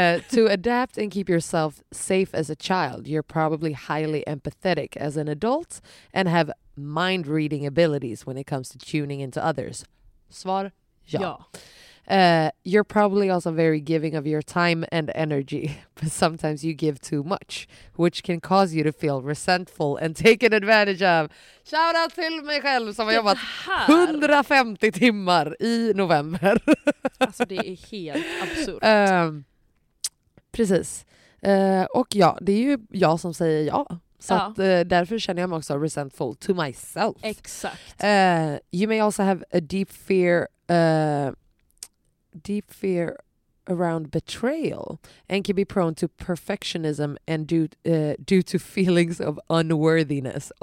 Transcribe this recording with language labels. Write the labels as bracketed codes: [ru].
[en] "To adapt and keep yourself safe as a child, you're probably highly empathetic as an adult and have mind-reading abilities when it comes to tuning into others." [sv] Svar ja. Ja. [en] "You're probably also very giving of your time and energy, but sometimes you give too much, which can cause you to feel resentful and taken advantage of." Shout out [sv] till mig själv som har jobbat 150 timmar i november. Alltså det är helt absurt. Precis. Och ja, det är ju jag som säger ja. Så ja. Att, därför känner jag mig också [en] resentful to myself. [sv] Exakt. [en] "You may also have a deep fear deep fear around betrayal and can be prone to perfectionism and due to feelings of unworthiness."